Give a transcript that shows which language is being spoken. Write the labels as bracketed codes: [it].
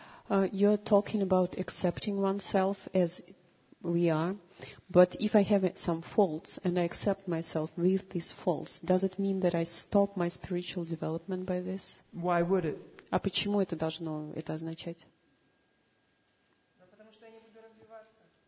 [en] You're talking about accepting oneself as we are. But if I have some faults and I accept myself with these faults, does it mean that I stop my spiritual development by this? Why would it? [ru] А почему это должно это означать? Да потому что я не буду развиваться.